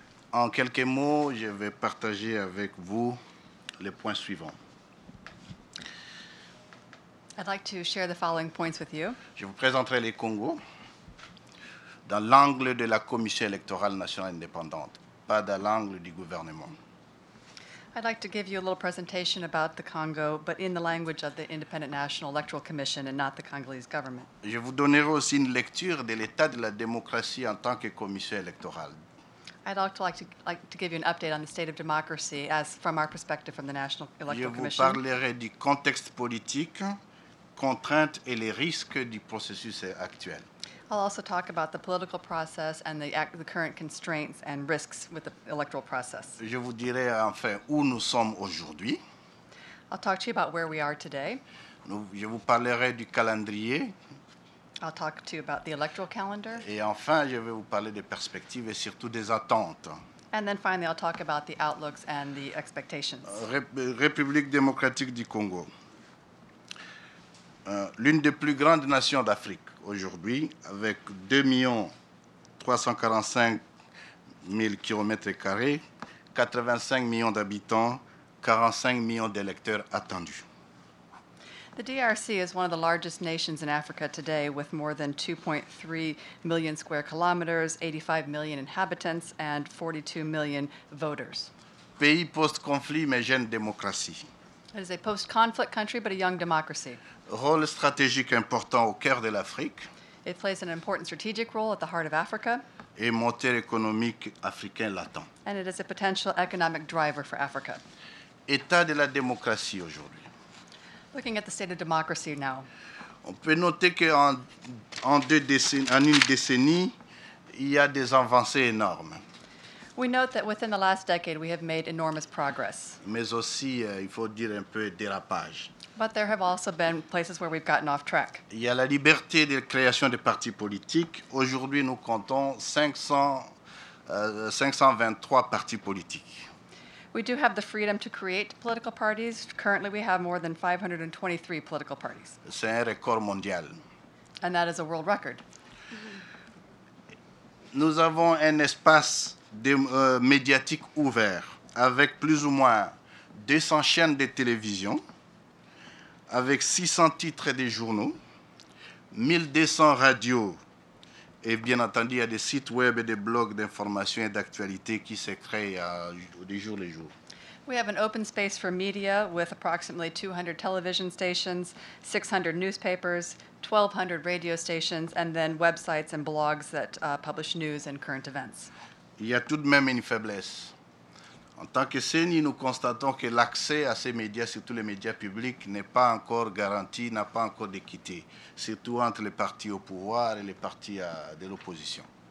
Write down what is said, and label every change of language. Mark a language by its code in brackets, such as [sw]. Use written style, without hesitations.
[fr] En quelques mots, je vais partager avec vous les points suivants. [en] I'd like to share the following points with you. [fr] Je vous présenterai le Congo dans l'angle de la Commission électorale nationale indépendante, pas dans l'angle du gouvernement. [en] I'd like to give you a little presentation about the Congo, but in the language of the Independent National Electoral Commission and not the Congolese government. [fr] Je vous donnerai aussi une lecture de l'état de la démocratie en tant que commission électorale. [en] I'd also like to give you an update on the state of democracy as from our perspective from the National Electoral Commission. [fr] Je vous parlerai du contexte politique, contraintes et les risques du processus actuel. [en] I'll also talk about the political process and the current constraints and risks with the electoral process. [fr] Je vous dirai enfin où nous sommes aujourd'hui. [en] I'll talk to you about where we are today. [fr] Je vous parlerai du calendrier. [en] I'll talk to you about the electoral calendar. [fr] Et enfin, je vais vous parler des perspectives et surtout des attentes. [en] And then finally, I'll talk about the outlooks and the expectations. [fr] République démocratique du Congo. L'une des plus grandes nations d'Afrique. Aujourd'hui, avec 2,345,000 km², 85 millions d'habitants, 45 millions d'électeurs attendus. [en] The DRC is one of the largest nations in Africa today, with more than 2.3 million square kilometers, 85 million inhabitants, and 42 million voters. [fr] Pays post-conflit, mais jeune démocratie. [en] It is a post-conflict country, but a young democracy. [fr] Rôle stratégique important au cœur de l'Afrique. [en] It plays an important strategic role at the heart of Africa. [fr] Et moteur économique africain latent. [en] And it is a potential economic driver for Africa. [fr] État de la démocratie aujourd'hui. [en] Looking at the state of democracy now. [fr] On peut noter qu'en une décennie, il y a des avancées énormes. [en] We note that within the last decade, we have made enormous progress. [fr] Mais aussi, il faut dire un peu dérapage. [en] But there have also been places where we've gotten off track. [fr] Il y a la liberté de création des partis politiques. Aujourd'hui, nous comptons 523 partis politiques. [en] We do have the freedom to create political parties. Currently, we have more than 523 political parties. [fr] C'est un record mondial. [en] And that is a world record. [fr] Nous avons un espace médiatique ouvert avec plus ou moins 200 chaînes de télévision. Avec 600 titres des journaux, 1200 radios. Et bien entendu, il y a des sites web et des blogs d'information et d'actualité qui se créent de jour en jour. [en] We have an open space for media with approximately 200 television stations, 600 newspapers, 1200 radio stations, and then websites and blogs that publish news and current events. [fr] Il y a tout de même une faiblesse. En tant que CENI, nous constatons que l'accès à ces médias, surtout les médias publics, n'est pas encore garanti, n'a pas encore d'équité, surtout entre les partis au pouvoir et les partis de l'opposition.